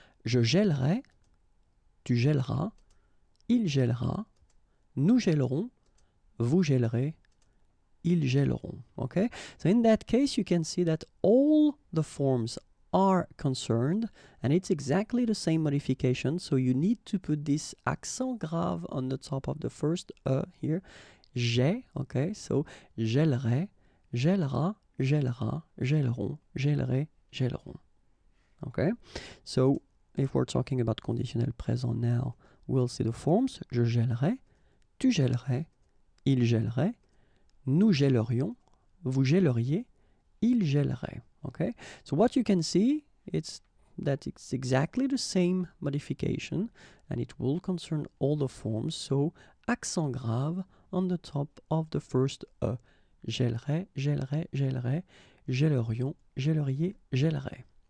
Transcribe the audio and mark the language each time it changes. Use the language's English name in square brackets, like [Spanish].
[French] Je gèlerai, tu gèleras, il gèlera, nous gèlerons, vous gèlerez, ils gèleront. [English] Okay, so in that case you can see that all the forms are concerned, and it's exactly the same modification, so you need to put this accent grave on the top of the first E here. [French] J'ai, [English] okay, so [French] gèlerai, gèlera, gèlera, gèleront, gèlerai, gèleront. [English] Okay, so if we're talking about conditionnel présent now, we'll see the forms. [French] Je gèlerai, tu gèlerai, il gèlerai, nous gèlerions, vous gèleriez, il gèlerait. [English] Okay, so what you can see is that it's exactly the same modification and it will concern all the forms. So, accent grave on the top of the first E. [French] Gèlerai, gèlerai, gèlerai, gèlerions, gèleriez, gèlerai.